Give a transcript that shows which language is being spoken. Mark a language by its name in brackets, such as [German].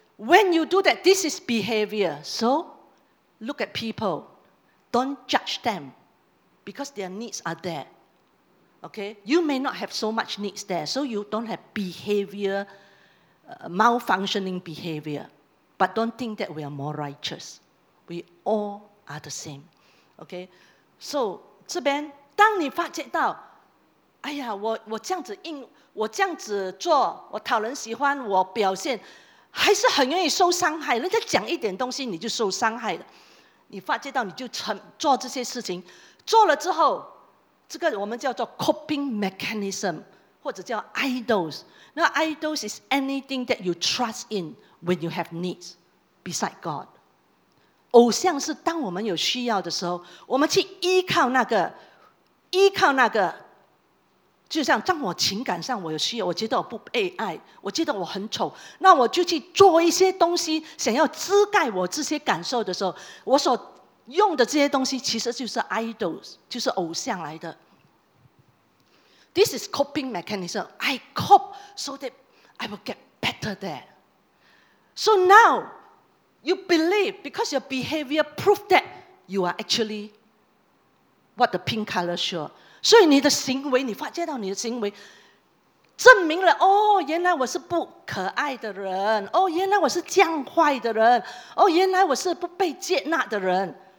[English] When you do that, this is behavior. So, look at people. Don't judge them because their needs are there. Okay? You may not have so much needs there, so you don't have behavior, malfunctioning behavior. But don't think that we are more righteous. We all are the same. Okay? [Chinese] So, 这边当你发觉到哎呀 我这样子做，我讨人喜欢，我表现还是很容易受伤害，人家讲一点东西你就受伤害了。你发觉到你就做这些事情，做了之后，这个我们叫做 [English] coping mechanism [Chinese] 或者叫 idols。 [English] 那 idols is anything that you trust in when you have needs beside God。 [Chinese] 偶像是当我们有需要的时候，我们去依靠那个，依靠那个。就像当我情感上我有需要，我觉得我不被爱，我觉得我很丑，那我就去做一些东西，想要遮盖我这些感受的时候，我所用的这些东西其实就是 idols， 就是偶像来的。 [English] This is coping mechanism. I cope so that I will get better there. So now, you believe because your behavior proves that you are actually what the pink color show. [Chinese] 所以你的行为，你发现到你的行为，证明了哦，原来我是不可爱的人。哦，原来我是这样坏的人。哦，原来我是不被接纳的人。